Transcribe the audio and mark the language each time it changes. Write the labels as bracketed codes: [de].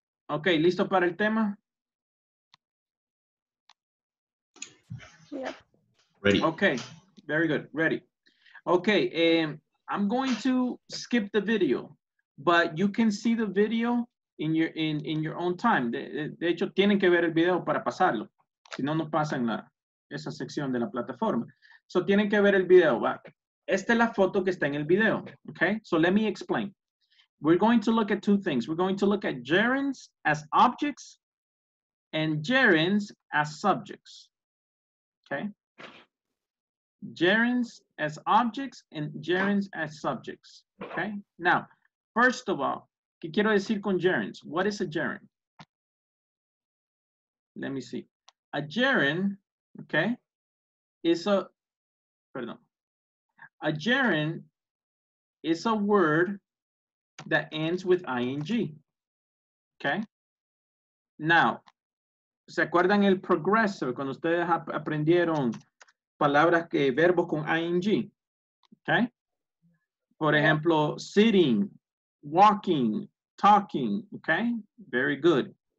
[es] Okay, ¿listo para el tema? [en] Yep. Ready. Okay, very good, ready. Okay, I'm going to skip the video, but you can see the video in your own time. [es] De hecho, tienen que ver el video para pasarlo. Si no, no pasan esa sección de la plataforma. So, tienen que ver el video. ¿Va? Esta es la foto que está en el video. [en] Okay, so let me explain. We're going to look at two things. We're going to look at gerunds as objects and gerunds as subjects. Okay? Gerunds as objects and gerunds as subjects. Okay? Now, first of all, [es] ¿qué quiero decir con [en] gerunds? What is a gerund? Let me see. A gerund, okay, A gerund is a word that ends with ing, okay? [es] Now, ¿se acuerdan el progressive cuando ustedes aprendieron palabras que verbos con ing? [en] Okay? [es] Por ejemplo, [en] sitting, walking, talking, okay? Very good.